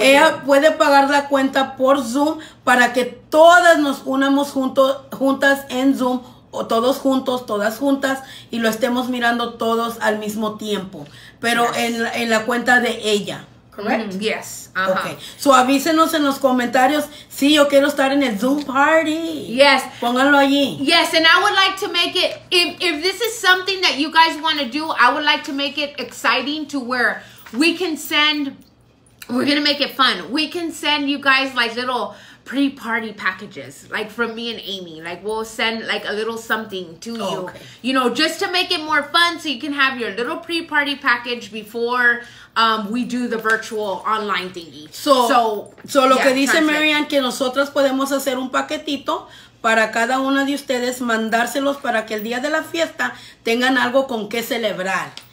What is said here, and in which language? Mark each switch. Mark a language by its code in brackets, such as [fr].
[es] Ella puede pagar la cuenta por Zoom para que todas nos unamos juntas en Zoom, o todos juntos, todas juntas, y lo estemos mirando todos al mismo tiempo. Pero yes, en la cuenta de ella. [en] Correct. [es] Mm-hmm. Yes. Uh-huh. Okay. So avísenos en los comentarios. Sí, yo quiero estar en el Zoom party. [en] Yes. [es] Pónganlo allí. [en] Yes, and I would like to make it, if this is something that you guys want to do, I would like to make it exciting to where we can send, we're going to make it fun. We can send you guys like little pre-party packages, like from me and Amy. Like we'll send like a little something to you. Okay. You know, just to make it more fun so you can have your little pre-party package before we do the virtual online thingy. [es] So lo que dice Marianne, que nosotras podemos hacer un paquetito para cada una de ustedes, mandárselos para que el día de la fiesta tengan algo con que celebrar.